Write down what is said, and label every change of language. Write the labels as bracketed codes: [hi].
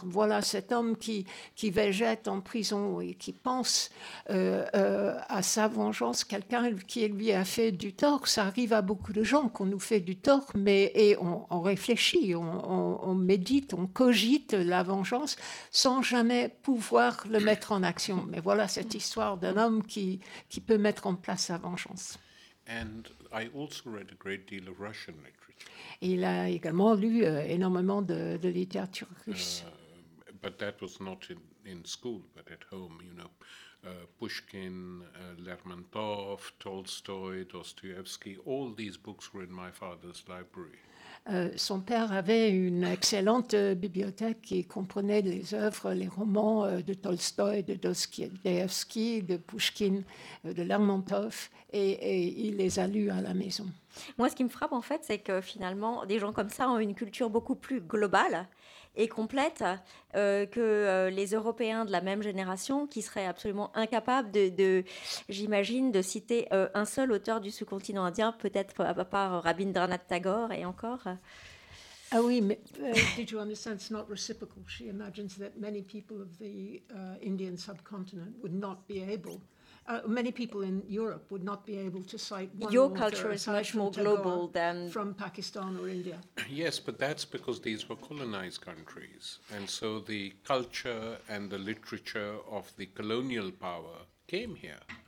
[fr] Voilà cet homme qui végète en prison et qui pense à sa vengeance, quelqu'un qui lui a fait du tort. Ça arrive à beaucoup de gens qu'on nous fait du tort, mais on réfléchit, on médite, on cogite la vengeance sans jamais pouvoir le mettre en action. Mais voilà cette histoire d'un homme qui peut mettre en place sa vengeance. [en] And I also read a great deal of Russian literature. [fr] Il a également lu énormément de littérature russe. [en] But that was not in school, but at home, you know. Pushkin, Lermontov, Tolstoy, Dostoevsky, all these books were in my father's library. [fr] Son père avait une excellente bibliothèque qui comprenait les œuvres, les romans de Tolstoï, de Dostoïevski, de Pushkin, de Lermontov, et il les a lus à la maison. Moi, ce qui me frappe, en fait, c'est que finalement, des gens comme ça ont une culture beaucoup plus globale et complète que les Européens de la même génération qui seraient absolument incapables de citer un seul auteur du sous-continent indien, peut-être à part Rabindranath Tagore et encore. Ah oui, mais... [en] did you understand it's not reciprocal? She imagines that many people of the Indian subcontinent would not be able Many people in Europe would not be able to cite one. Your culture is much more global than from Pakistan or India. Yes, but that's because these were colonized countries, and so the culture and the literature of the colonial power came here.